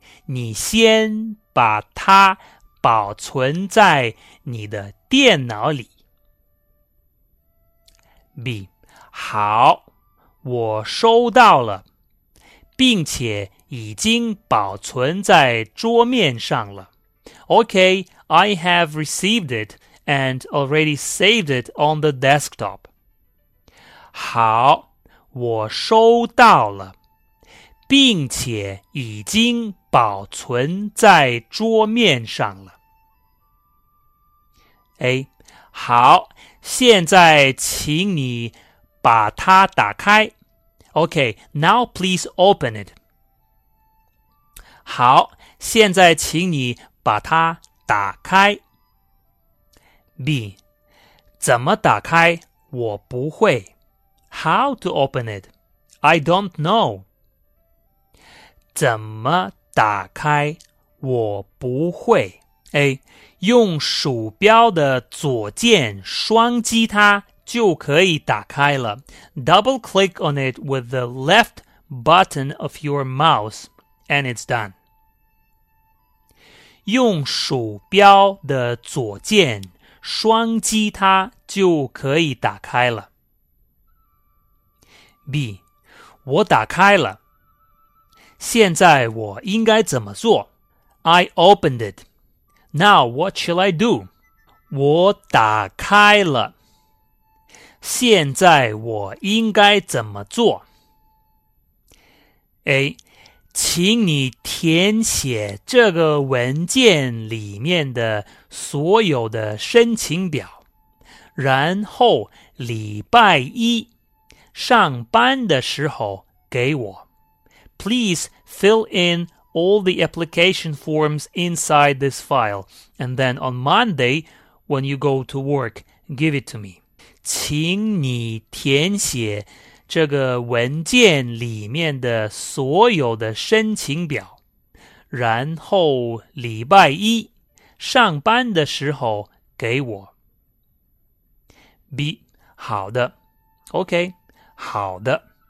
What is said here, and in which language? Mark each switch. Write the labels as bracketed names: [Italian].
[Chinese] 你先把它保存在你的电脑里。 [English] B. [Chinese] 好,我收到了,并且已经保存在桌面上了。 [English] Okay, I have received it and already saved it on the desktop. [Chinese] 好,我收到了。并且已经保存在桌面上了。 A. 好，现在请你把它打开。 [English] Okay, now please open it. [Chinese] 好，现在请你把它打开。 [English] B. [Chinese] 怎么打开？我不会。 [English] How to open it? I don't know. [Chinese] 怎么打开？我不会。A. 用鼠标的左键双击它就可以打开了。 [English] Double click on it with the left button of your mouse and it's done. [Chinese] 用鼠标的左键双击它就可以打开了。B. 我打开了。现在我应该怎么做？ [English] I opened it. Now, what shall I do? [Chinese] 我打开了。现在我应该怎么做？A. 请你填写这个文件里面的所有的申请表，然后礼拜一上班的时候给我。 [English] Please fill in all the application forms inside this file, and then on Monday, when you go to work, give it to me. [Chinese] 请你填写这个文件里面的所有的申请表，然后礼拜一上班的时候给我。 B. 好的。OK, 好的。